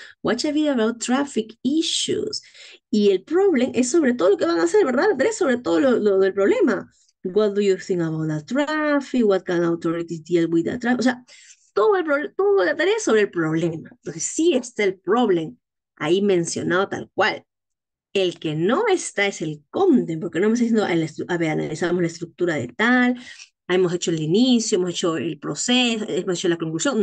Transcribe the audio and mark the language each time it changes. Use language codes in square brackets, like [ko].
[en] Watch a video about traffic issues. [es] Y el problem es sobre todo lo que van a hacer, ¿verdad? Andrés, sobre todo lo del problema. [en] What do you think about the traffic? What can authorities deal with the traffic? [es] O sea, todo la tarea es sobre el problema. Entonces sí está el problem ahí mencionado tal cual. El que no está es el content, porque no me está diciendo, a ver, analizamos la estructura de tal. Hemos hecho el inicio, hemos hecho el proceso, hemos hecho la conclusión.